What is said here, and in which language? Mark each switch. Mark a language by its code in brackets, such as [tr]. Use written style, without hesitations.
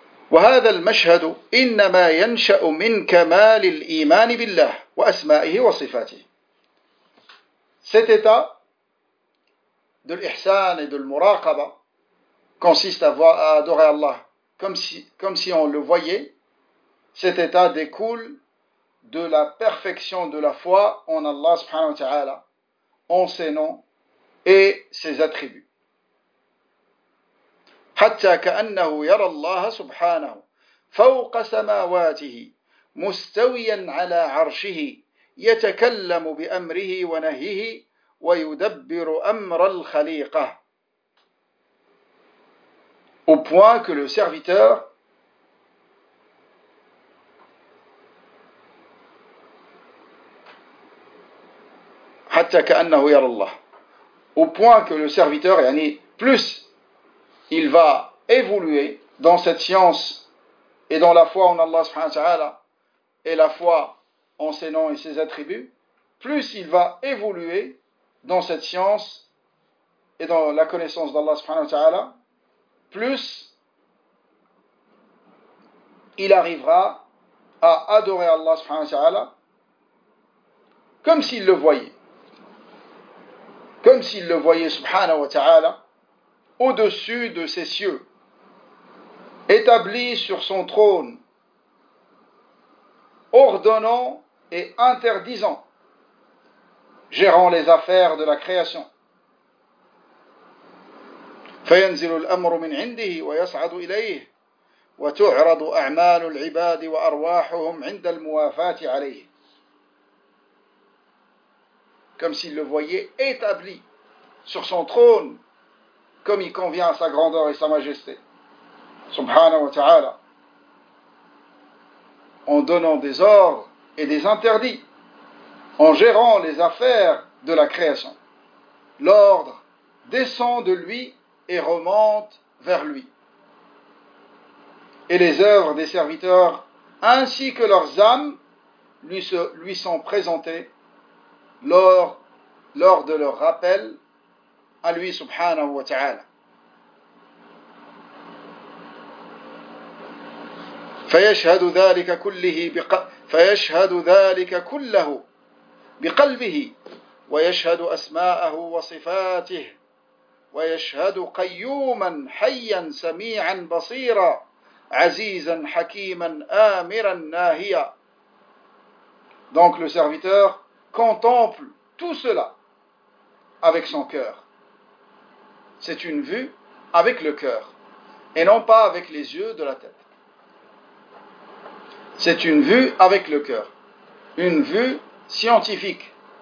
[ar] وهذا المشهد إنما ينشأ من كمال الإيمان بالله وأسمائه وصفاته. [fr] Cet état de l'ihsan et de l'muraqaba consiste à adorer Allah comme si on le voyait. Cet état découle de la perfection de la foi en Allah subhanahu wa ta'ala, en ses noms et ses attributs. [ar] حتى كأنه يرى الله سبحانه فوق سماواته مستويا على عرشه يتكلم بأمره ونهيه ويدبر أمر الخليقة. [fr] Au point que le serviteur [ar] حتى كأنه يرى الله. [fr] Au point que le serviteur, [ar] يعني [fr] plus il va évoluer dans cette science et dans la foi en Allah subhanahu wa ta'ala et la foi en ses noms et ses attributs, plus il va évoluer dans cette science et dans la connaissance d'Allah subhanahu wa ta'ala, plus il arrivera à adorer Allah subhanahu wa ta'ala comme s'il le voyait subhanahu wa ta'ala au-dessus de ses cieux, établi sur son trône, ordonnant et interdisant, gérant les affaires de la création. [ar] فينزل الأمر من عنده ويصعد إليه وتعرض أعمال العباد وأرواحهم عند الموافاة عليه. [fr] comme s'il le voyait établi sur son trône, comme il convient à sa grandeur et sa majesté. Subhanahu wa ta'ala. En donnant des ordres et des interdits, en gérant les affaires de la création. L'ordre descend de lui et remonte vers lui. Et les œuvres des serviteurs, ainsi que leurs âmes, lui sont présentées lors de leur rappel à lui, subhanahu wa ta'ala. [ar] فيشهد ذلك كله فيشهد ذلك كله بقلبه ويشهد أسماءه وصفاته ويشهد قيوما حيا سميعا بصيرا عزيزا حكيما آمرا ناهيا. [fr] Donc le serviteur contemple tout cela avec son cœur. C'est une vue avec le cœur et non pas avec les yeux de la tête. C'est une vue avec le cœur, une vue scientifique.